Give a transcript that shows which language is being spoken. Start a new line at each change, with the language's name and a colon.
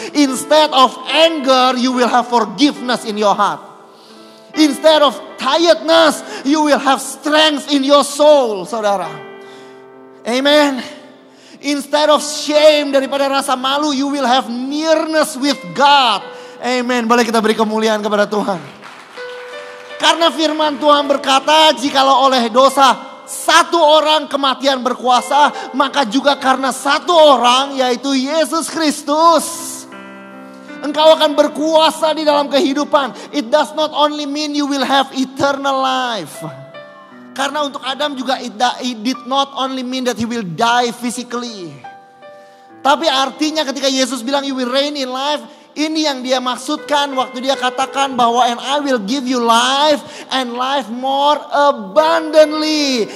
English: Instead of anger, you will have forgiveness in your heart. Instead of tiredness, you will have strength in your soul, saudara. Amen. Instead of shame,
Indonesian: daripada rasa malu,
English: you will have nearness with God.
Indonesian: Amen. Boleh kita beri kemuliaan kepada Tuhan. Karena firman Tuhan berkata, jikalau oleh dosa satu orang kematian berkuasa, maka juga karena satu orang, yaitu Yesus Kristus, engkau akan berkuasa di dalam kehidupan.
English: It does not only mean you will have eternal life.
Indonesian: Karena untuk Adam juga
English: it did not only mean that he will die physically.
Indonesian: Tapi artinya ketika Yesus bilang
English: you will reign in life,
Indonesian: ini yang dia maksudkan waktu dia katakan bahwa
English: and I will give you life and life more abundantly.